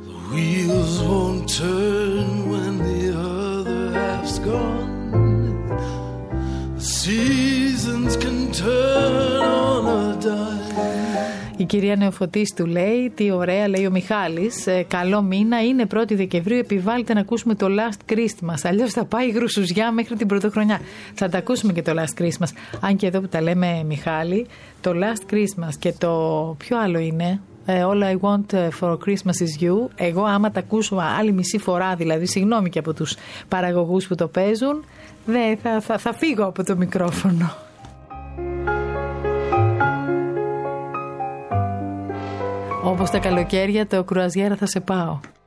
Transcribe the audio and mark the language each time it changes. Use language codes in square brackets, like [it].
[en] Wheels won't turn when the other half's gone. The seasons can turn on a dime. [el] Η κυρία Νεοφωτίστου λέει, τι ωραία, λέει ο Μιχάλης, καλό μήνα, είναι 1η Δεκεμβρίου, επιβάλλεται να ακούσουμε το Last Christmas, αλλιώς θα πάει η γρουσουζιά μέχρι την πρωτοχρονιά. Θα τα ακούσουμε και το Last Christmas, αν και εδώ που τα λέμε Μιχάλη, το Last Christmas και το ποιο άλλο είναι... [en] All I want for Christmas is you. [el] Εγώ άμα τα ακούσω άλλη μισή φορά, δηλαδή συγγνώμη και από τους παραγωγούς που το παίζουν, ναι, θα φύγω από το μικρόφωνο. Όπως τα καλοκαίρια το κρουαζιέρα θα σε πάω.